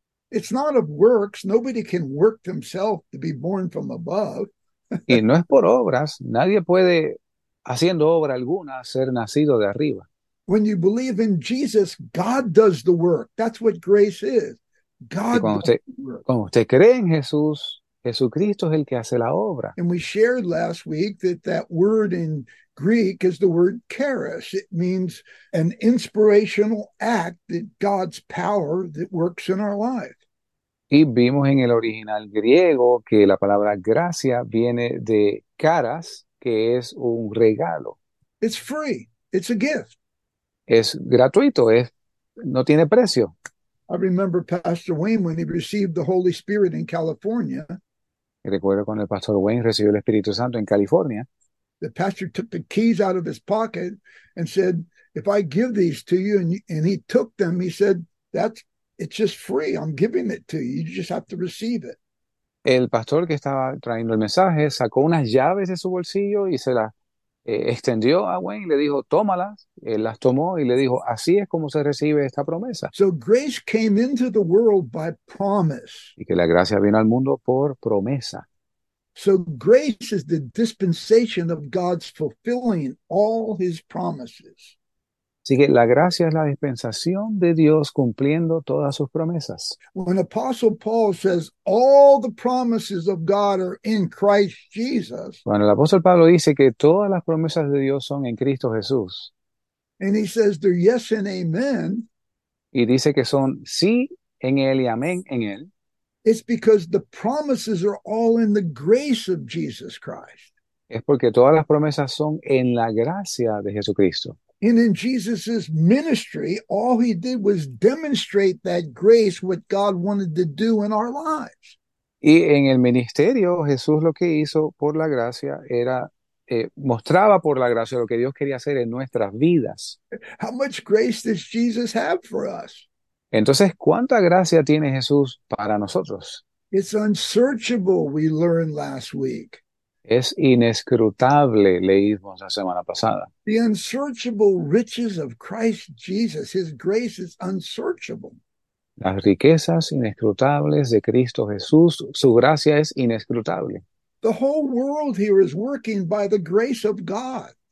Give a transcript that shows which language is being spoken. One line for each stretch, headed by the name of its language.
English: It's not of works. Nobody can work themselves to be born from above.
Spanish: Y no es por obras. Nadie puede, haciendo obra alguna, ser nacido de arriba.
English: When you believe in Jesus, God does the work. That's what grace is. God does the work.
Spanish: Cuando usted cree en Jesús, Jesucristo es el que hace la obra.
English: And we shared last week that that word in Greek is the word charis. It means an inspirational act that God's power that works in our life.
Spanish: Y vimos en el original griego que la palabra gracia viene de charis, que es un regalo.
English: It's free. It's a gift.
Spanish: Es gratuito, no tiene precio.
English: I remember Pastor Wayne when he received the Holy Spirit in California.
Spanish: Y recuerdo cuando el pastor Wayne recibió el Espíritu Santo en California.
English: The pastor took the keys out of his pocket and said, "If I give these to you," and he took them, he said, "That's it's just free. I'm giving it to you. You just have to receive it."
Spanish: El pastor que estaba trayendo el mensaje sacó unas llaves de su bolsillo y se las extendió a Wayne y le dijo, tómalas. Él las tomó y le dijo, así es como se recibe esta promesa.
English: So grace came into the world by promise.
Spanish: Y que la gracia vino al mundo por promesa.
English: So grace is the dispensation of God's fulfilling all his promises.
Spanish: Así que la gracia es la dispensación de Dios cumpliendo todas sus promesas.
English: When Apostle Paul says all the promises of God are in Christ Jesus,
Spanish: Bueno, el apóstol Pablo dice que todas las promesas de Dios son en Cristo Jesús.
English: and he says they're yes and amen,
Spanish: Y dice que son sí en Él y amén en Él.
English: it's because the promises are all in the grace of Jesus Christ.
Spanish: Es porque todas las promesas son en la gracia de Jesucristo.
English: And in Jesus' ministry, all he did was demonstrate that grace, what God wanted to do in our lives.
Spanish: Y en el ministerio, Jesús lo que hizo por la gracia era, mostraba por la gracia lo que Dios quería hacer en nuestras vidas.
English: How much grace does Jesus have for us?
Spanish: Entonces, ¿cuánta gracia tiene Jesús para nosotros?
English: It's unsearchable, we learned last week.
Spanish: Es inescrutable, leímos la semana pasada.
English: The unsearchable riches of Christ Jesus, his grace is unsearchable.
Spanish: Las riquezas inescrutables de Cristo Jesús, su gracia es inescrutable.
English: The whole world here is working by the grace of God.